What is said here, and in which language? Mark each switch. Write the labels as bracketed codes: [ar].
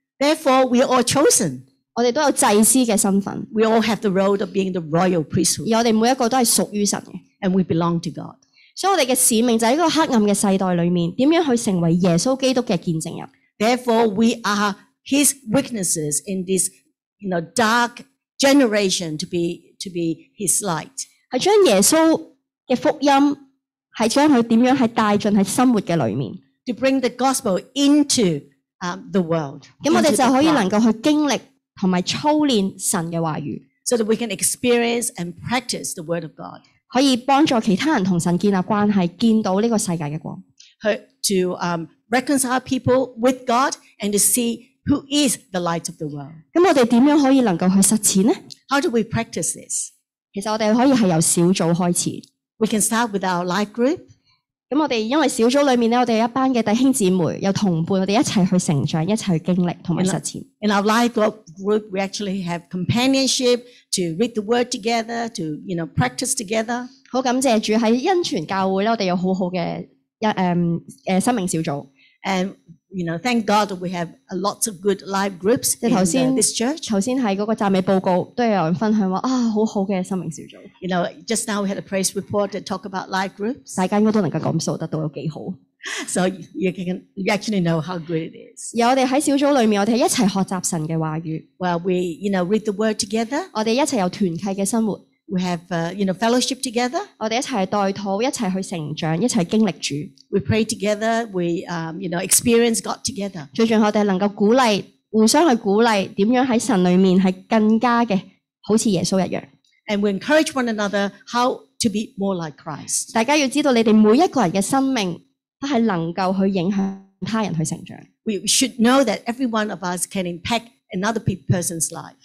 [en] Therefore, we are all chosen. [yue] 我哋都有祭司嘅身份。 [en] We all have the role of being the royal priesthood. [yue] 而我哋每一个都系属于神嘅。 [en] And we belong to God. [yue] 所以我哋嘅使命就喺一个黑暗嘅世代里面，点样去成为耶稣基督嘅见证人 [en] ？Therefore, we are his witnesses in this, you know, dark generation to be his light. [yue] 系将耶稣嘅福音系将佢点样系带进喺生活嘅里面。 [en] To bring the gospel into the world, [yue] 咁我哋就可以能够去经历同埋操练神嘅话语 [en] ，so that we can experience and practice the word of God. [yue] 可以帮助其他人同神建立关系，见到呢个世界嘅光。 [en] To reconcile people with God and to see who is the light of the world. [yue] 咁我哋点样可以能够去实践呢 [en] ？How do we practice this? [yue] 其实我哋可以系由小组开始。 [en] We can start with our life group. [yue] 咁我哋因为小组里面咧，我哋有一班嘅弟兄姊妹，有同伴，我哋一齐去成长，一齐去经历同埋实践。 [en] In our life group, we actually have companionship to read the word together, to you know practice together。 [yue] 好感谢主喺恩泉教会咧，我哋有好好嘅生命小组。 [en] And you know, thank God we have lots of good life groups in this church。 [yue] 头先喺嗰个赞美报告都有人分享话啊，好好嘅生命小组。 [en] You know, just now we had a praise report that talk about life groups。 [yue] 大家应该都能够感受得到有几好。 [en] So you actually know how good it is。 [yue] 而我哋喺小组里面，我哋一齐学习神嘅话语。 [en] Well, we you know read the word together。 [yue] 我哋一齐有团契嘅生活。 [en] We have you know fellowship together。 [yue] 我哋一齐代祷，一齐去成长，一齐经历主。 [en] We pray together. We you know experience God together。 [yue] 最重要，我哋能够鼓励，互相去鼓励，点样喺神里面系更加嘅，好似耶稣一样。 [en] And we encourage one another how to be more like Christ。 [yue] 大家要知道，你哋每一个人嘅生命都系能够去影响他人去成长。 [en] We should know that every one of us can impact another person's life。